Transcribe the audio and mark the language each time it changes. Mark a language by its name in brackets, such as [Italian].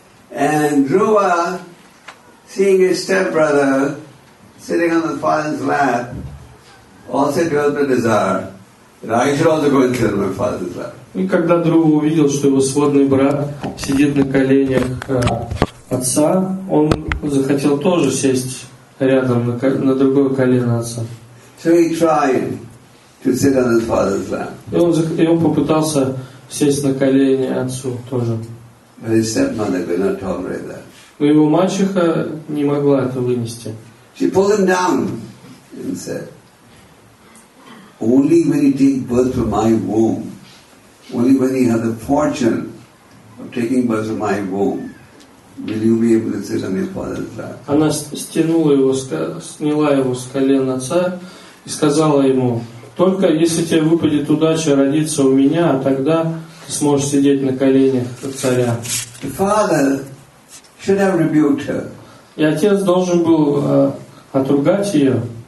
[English] And Dhruva, seeing his stepbrother sitting on the father's lap, also felt the desire. [Russian] И когда Друва увидел, что его сводный брат сидит на коленях отца, он захотел тоже сесть рядом на другое колено отца. [English] So he tried to sit on his father's lap. [Russian] И он попытался сесть на колени отцу тоже. [English] But his stepmother could not tolerate that. [Russian] Но его мачеха не могла это вынести. [English] She pulled him down and said, only when you take birth from my womb, only when you have the fortune of taking birth from my womb, will you be able to sit on your father's lap. [Russian] Она стянула его, сняла его с колен отца и сказала ему: только если тебе выпадет удача родиться у меня, тогда ты сможешь сидеть на коленях царя. [English] The father should have rebuked her. [Russian] И отец должен был отругать ее.